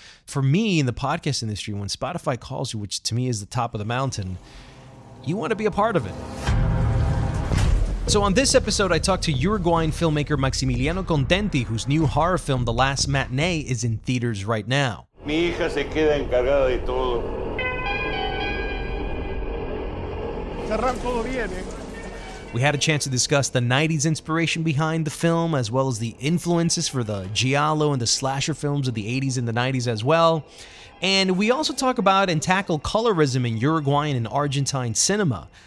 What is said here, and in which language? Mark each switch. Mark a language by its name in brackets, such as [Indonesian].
[English] For me, in the podcast industry, when Spotify calls you, which to me is the top of the mountain, you want to be a part of it. So on this episode, I talked to Uruguayan filmmaker Maximiliano Contenti, whose new horror film, The Last Matinee, is in theaters right now. [Spanish] Mi hija se queda encargada de todo. Cerran todo bien, eh? [English] We had a chance to discuss the 90s inspiration behind the film, as well as the influences for the giallo and the slasher films of the 80s and the 90s as well. And we also talk about and tackle colorism in Uruguayan and Argentine cinema,